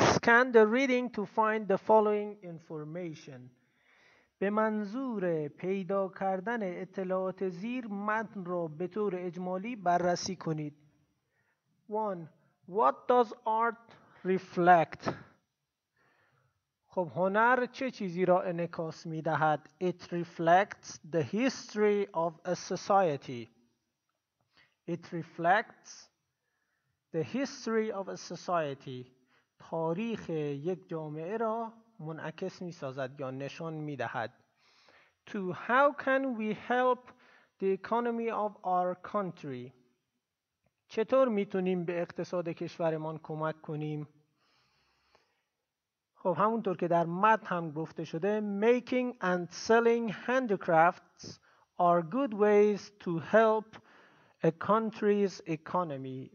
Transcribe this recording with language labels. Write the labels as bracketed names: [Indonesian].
[English] Scan the reading to find the following information. [Persian] به منظور پیدا کردن اطلاعات زیر متن را به طور اجمالی بررسی کنید. 1. [English] What does art reflect? [Persian] خب هنر چه چیزی را انعکاس می دهد؟ [English] It reflects the history of a society. It reflects the history of a society. [Persian] تاریخ یک جامعه را منعکس می سازد یا نشان می دهد. 2. [English] How can we help the economy of our country? [Persian] چطور می تونیم به اقتصاد کشورمان کمک کنیم؟ خب همونطور که در متن هم گفته شده [English] making and selling handicrafts are good ways to help a country's economy.